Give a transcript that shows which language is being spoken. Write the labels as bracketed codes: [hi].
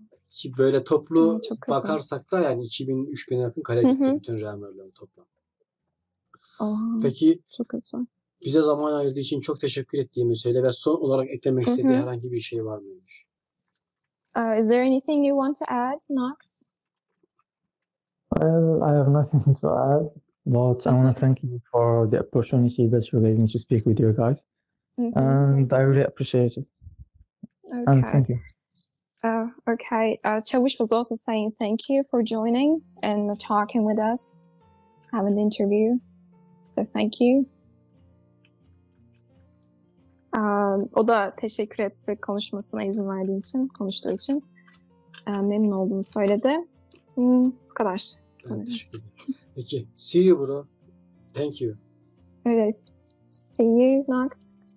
[tr] Ki böyle toplu bakarsak da yani 2000-3000 yakın kale gitti bütün Realmer'lerin toplam. Peki çok kötü. Bize zaman ayırdığı için çok teşekkür ettiğimi söyle ve son olarak eklemek istediği herhangi bir şey var mıymış? [en] Is there anything you want to add, Nox? Well, I have nothing to add. But I want to thank you for the opportunity that you gave me to speak with you guys. And I really appreciate it. Okay. And thank you. Okay. Çavuş was also saying thank you for joining and talking with us, having an interview. So thank you. [tr] O da teşekkür etti konuşmasına izin verdiğin için, konuştuğu için. Memnun olduğunu söyledi. Bu kadar. Ben teşekkür ederim. Peki, [en] see you bro. Thank you. Evet. See you, Max.